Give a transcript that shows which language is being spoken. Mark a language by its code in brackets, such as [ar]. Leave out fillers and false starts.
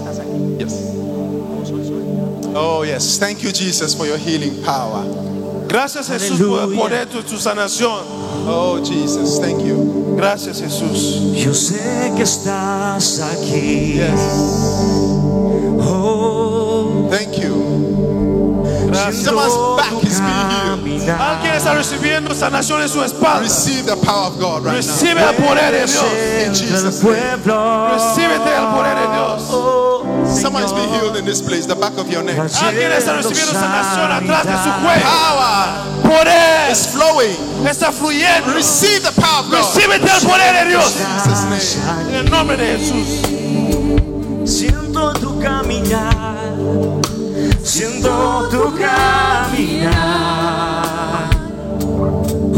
[en] Oh yes, thank you Jesus for your healing power. [es] Gracias Jesús por el poder de tu sanación. [en] Oh Jesus, thank you. [es] Gracias Jesús. Yo sé que estás aquí. [en] Yes. Oh, thank you. Someone's back is being healed. [es] Alguien está recibiendo sanación en su espalda. [en] Receive the power of God right [es] Recibe [en] now. [es] El poder de Dios. [en] In Jesus' name. [es] Recibe el poder de Dios. [en] Someone is being healed in this place, the back of your neck. [es] Alguien está recibiendo sanación atrás de su cuello. [en] Power, [es] poder, [en] is flowing. [es] Está fluyendo. [en] Receive the power of God. [es] Recibe el poder de Dios. [en] In Jesus' name. [es] En el nombre de Jesús. Siento tu caminar. Siento tu caminar.